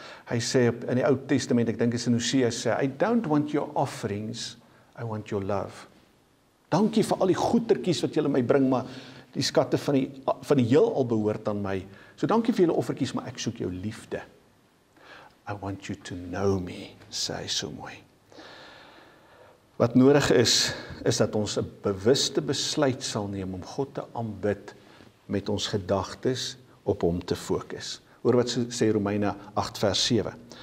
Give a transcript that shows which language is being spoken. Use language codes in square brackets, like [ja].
[af] Hy sê in die Oud Testament, ek denk is in Hosea, sê, [en] I don't want your offerings, I want your love. [af] Dankie vir al die goedertjies wat julle my bring, maar die skatte van die heelal behoort aan my. So dankie vir julle offertjies, maar ek soek jou liefde. [en] I want you to know me, [af] sê hy so mooi. Wat nodig is, is dat ons 'n bewuste besluit sal neem om God te aanbid met ons gedagtes op hom te fokus. Hoor wat sê Romeine 8 vers 7.